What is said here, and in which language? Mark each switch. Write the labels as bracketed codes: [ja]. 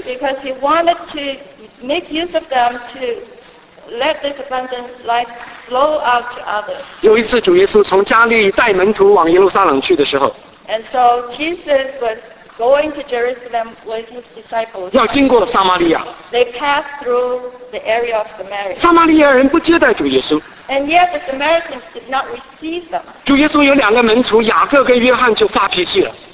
[en] Because he wanted to make use of them to let this abundant life flow out to others. [zh] 有一次主耶稣从加利利带门徒往耶路撒冷去的时候。 [en] And so Jesus was going to Jerusalem with his disciples. [zh] 要经过撒玛利亚。 [en] They passed through the area of Samaria. [zh] 撒玛利亚人不接待主耶稣。 [en] And yet the Samaritans did not receive them. [zh] 主耶稣有两个门徒，雅各跟约翰就发脾气了。